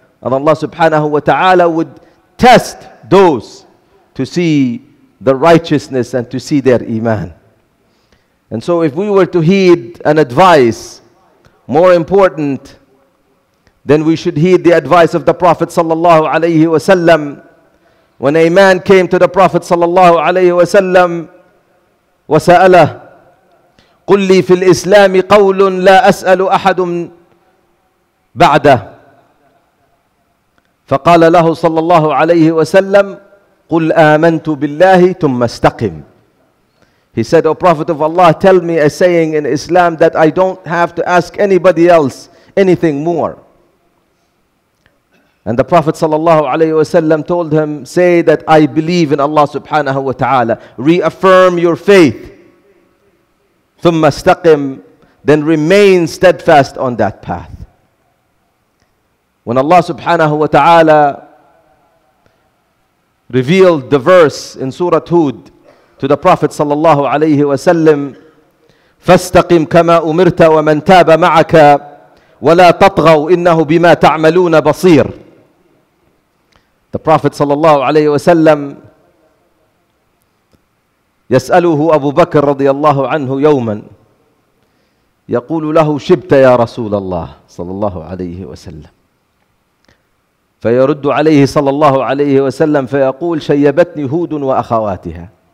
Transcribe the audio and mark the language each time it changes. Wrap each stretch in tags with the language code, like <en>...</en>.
<en>And Allah subhanahu wa ta'ala would test those to see their righteousness and to see their iman. And so if we were to heed an advice more important, then we should heed the advice of the Prophet sallallahu alayhi wa sallam. When a man came to the Prophet sallallahu alayhi wa sallam,</en> <ar>وَسَأَلَهُ قُلْ لِي فِي الْإِسْلَامِ قَوْلٌ لَا أَسْأَلُ أَحَدٌ بَعْدَهُ فَقَالَ لَهُ sallallahu alayhi wa sallam, قُلْ آمَنْتُ بِاللَّهِ ثُمَّ اسْتَقِمْ.</ar> <en>He said, O Prophet of Allah, tell me a saying in Islam that I don't have to ask anybody else anything more. And the Prophet sallallahu alayhi wa sallam told him, say that I believe in Allah subhanahu wa ta'ala. Reaffirm your faith.</en> <ar>ثُمَّ اسْتَقِمْ.</ar> <en>Then remain steadfast on that path. When Allah subhanahu wa ta'ala revealed the verse in Surah Hud to the Prophet sallallahu alayhi wa sallam,</en> <ar>فَاسْتَقِمْ كَمَا أُمِرْتَ وَمَنْ تَابَ مَعَكَ وَلَا تَطْغَوْا إِنَّهُ بِمَا تَعْمَلُونَ بَصِيرٌ.</ar> <en>The Prophet sallallahu alayhi wa sallam</en> <ar>يسأله أبو بكر رضي الله عنه يوما, يقول له شبت يا رسول الله صلى الله عليه وسلم، فيرد عليه صلى الله عليه وسلم فيقول شيبتني هود وأخواتها.</ar>